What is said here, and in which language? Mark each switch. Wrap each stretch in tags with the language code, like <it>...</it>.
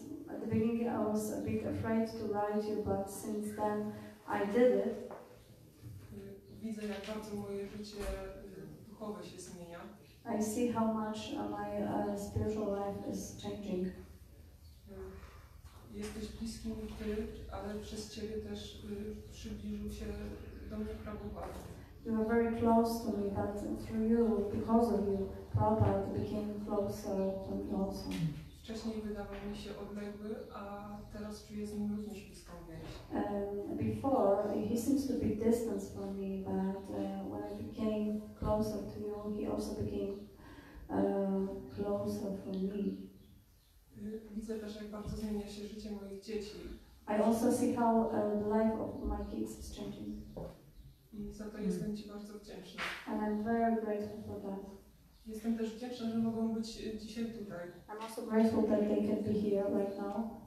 <en>At the beginning I was a bit afraid to write you, but since then I did it.</en> <pl>Widzę, jak bardzo moje życie duchowe się zmienia.</pl> <en>I see how much my spiritual life is changing.</en> <pl>Jesteś bliski mi ty, ale przez ciebie też przybliżył się do mnie Prabhupada.</pl> <en>You are very close to me, but through you, because of you, Prabhupada became closer to me also.</en> <pl>Wcześniej wydawał mi się odległy, a teraz czuję z nim również bliską więź.</pl> <en>Before he seems to be distant from me, but when I became closer to you, he also became closer from me.</en> <pl>Widzę też, jak bardzo zmienia się życie moich dzieci.</pl> <en>I also see how the life of my kids is changing.</en> <pl>I za to jestem ci bardzo wdzięczna.</pl> <en>And I'm very grateful for that.</en> <pl>Jestem też wdzięczna, że mogą być dzisiaj tutaj.</pl> <en>I'm also grateful that they can be here right now.</en>